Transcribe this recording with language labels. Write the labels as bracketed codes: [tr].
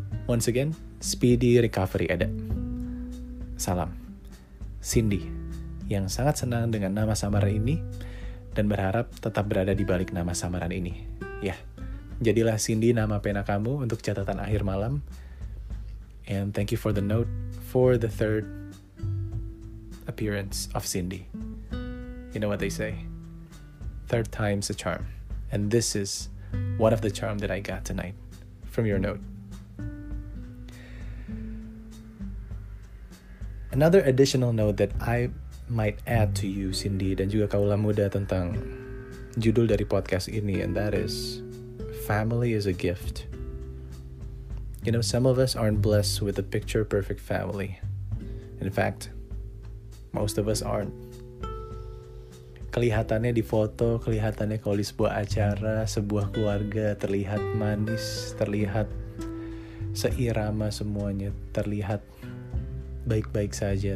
[en] Once again, speedy recovery [id] ada. Salam, Cindy, yang sangat senang dengan nama samaran ini, dan berharap tetap berada di balik nama samaran ini. Ya, jadilah Cindy nama pena kamu untuk catatan akhir malam. [en] And thank you for the note for the third appearance of Cindy. You know what they say, third time's a charm. And this is one of the charm that I got tonight from your note. Another additional note that I might add to you, Cindy, [id] dan juga kaula muda tentang judul dari podcast ini, [en] and that is, family is a gift. You know, some of us aren't blessed with a picture-perfect family. In fact, most of us aren't. [id] Kelihatannya di foto, kelihatannya kalau di sebuah acara, sebuah keluarga, terlihat manis, terlihat seirama semuanya, terlihat baik-baik saja.